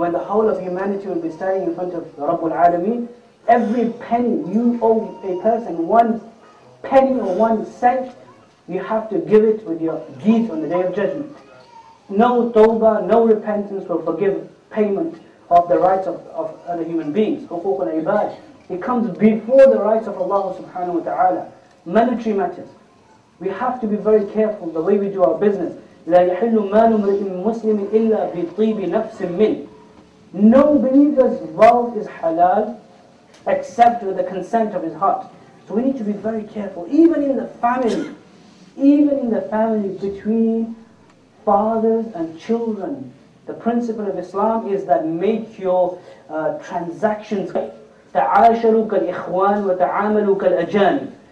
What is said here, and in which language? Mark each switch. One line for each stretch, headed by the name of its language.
English: When the whole of humanity will be standing in front of
Arabic: رَبُّ الْعَالَمِينَ.
English: Every penny you owe a person, one penny or one cent, you have to give it with your deeds on the Day of Judgment. No tawbah, no repentance will forgive payment of the rights of other human beings.
Arabic: حُقُوقُ الْعِبَادِ.
English: It comes before the rights of Allah subhanahu wa ta'ala. Monetary matters. We have to be very careful the way we do our business.
Arabic: لا يحل مال امرئ مسلم إلا بطيب نفس من.
English: No believer's wealth is halal except with the consent of his heart. So we need to be very careful, even in the family, even in the family between fathers and children. The principle of Islam is that make your transactions
Arabic: تعاشروا كالإخوان وتعاملوا كالأجانب.